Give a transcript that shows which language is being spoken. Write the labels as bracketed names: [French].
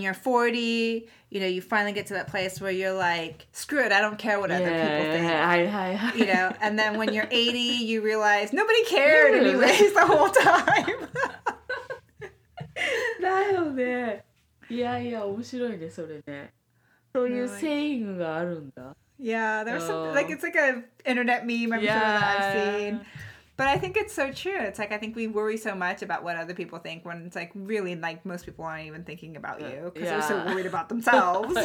[English] you're 40, you know, you finally get to that place where you're like, screw it, I don't care what other people think. You know, and then when you're 80, you realize nobody cared anyways the whole time. [Japanese] だよね。いやいや、面白いね、それね。そういうセイングがあるんだ。 [English] Yeah, there's some, like, it's like an internet meme, I'm sure that I've seen. But I think it's so true. It's like, I think we worry so much about what other people think when it's like, really, like, most people aren't even thinking about you because they're so worried about themselves.